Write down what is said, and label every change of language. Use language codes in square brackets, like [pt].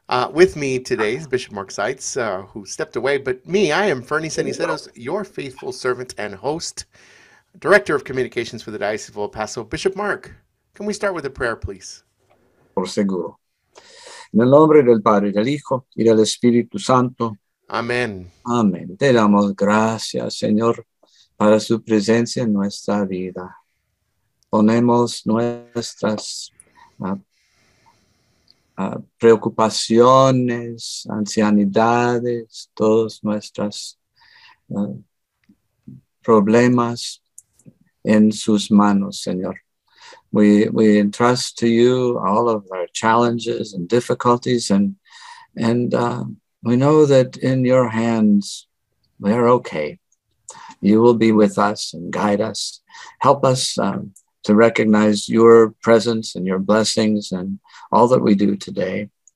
[en] With me today is Bishop Mark Seitz, who stepped away, but me, I am Fernie Ceniceros, your faithful servant and host, Director of Communications for the Diocese of El Paso. Bishop Mark, can we start with a prayer, please? [es] Por seguro. En el nombre del Padre, del Hijo, y del Espíritu Santo. Amén. Amén. Te damos gracias, Señor, para su presencia en nuestra vida. Ponemos nuestras preocupaciones, ancianidades, todos nuestros problemas en sus manos, Señor. [en] We entrust to you all of our challenges and difficulties, and we know that in your hands we are okay. You will be with us and guide us. Help us to recognize your presence and your blessings and all that we do today.